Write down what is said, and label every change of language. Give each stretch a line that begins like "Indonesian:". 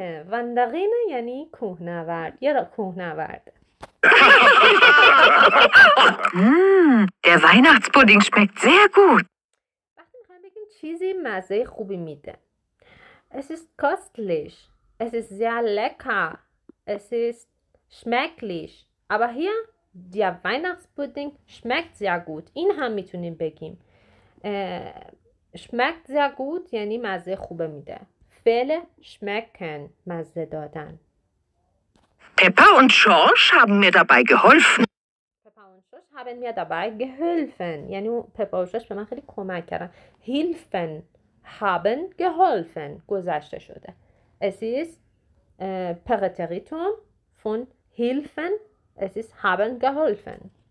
Persian: Wanderine یعنی کوهنورد. یه را کوهنورد.
German: Der Weihnachtspudding schmeckt sehr gut.
Persian: وقتی میخوایم بگیم چیزی مزه خوبی میده.
German: Es ist köstlich. Es ist sehr lecker. Es ist schmecklich. Aber hier, der Weihnachtspudding schmeckt sehr gut.
Persian: این هم میتونیم بگیم.
German: Schmeckt sehr gut
Persian: یعنی مزه خوبه میده. فعل schmecken مزه دادن.
German: Peppa und George haben mir dabei geholfen.
Persian: یعنی Peppa und George به من خیلی کمک کردن.
German: Helfen. Haben geholfen,
Persian: گذشته شده.
German: Es ist Präteritum von helfen. Es ist haben geholfen.